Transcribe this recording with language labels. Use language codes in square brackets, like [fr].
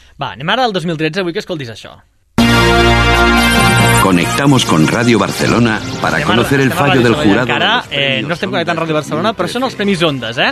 [ca] Va, anem ara al 2013, avui que escoltis això. [es] Conectamos con Radio Barcelona para conocer el fallo del jurado. [ca] Encara no estem connectant Radio Barcelona, però són els Premis Ondas, eh?